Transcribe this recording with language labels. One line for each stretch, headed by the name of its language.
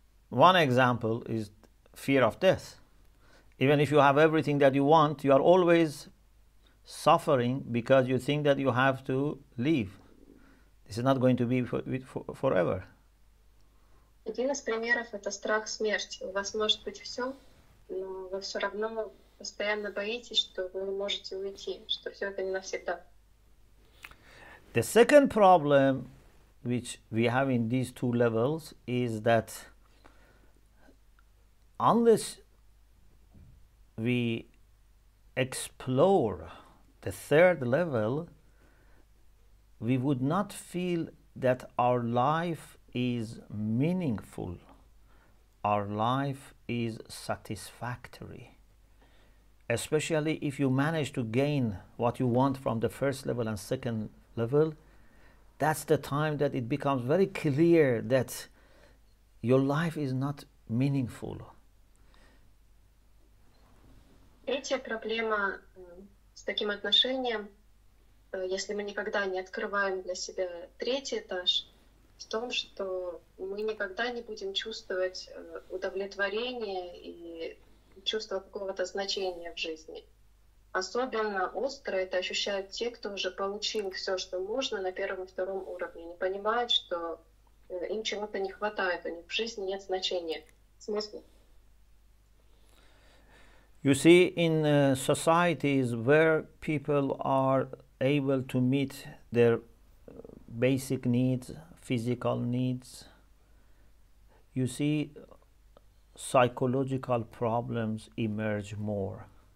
English: One example is fear of death. Even if you have everything that you want, you are always suffering because you think that you have to leave. This is not going to be forever.
Russian: Один из примеров – это страх смерти. У вас может быть все, но вы все равно постоянно боитесь, что вы можете уйти, что все это не навсегда.
English: The second problem, which we have in these two levels, is that unless we explore the third level, we would not feel that our life is meaningful, our life is satisfactory. Especially if you manage to gain what you want from the first level and second level, that's the time that it becomes very clear that your life is not meaningful.
Russian: Третья проблема с таким отношением, если мы никогда не открываем для себя третий этаж, в том, что мы никогда не будем чувствовать удовлетворение и чувство какого-то значения в жизни. Особенно остро это ощущают те, кто уже получил все, что можно на первом и втором уровне, не понимают, что им чего-то не хватает, у них в жизни нет значения. Смысл?
English: You see, in societies where people are able to meet their basic needs, physical needs, you see psychological problems emerge more.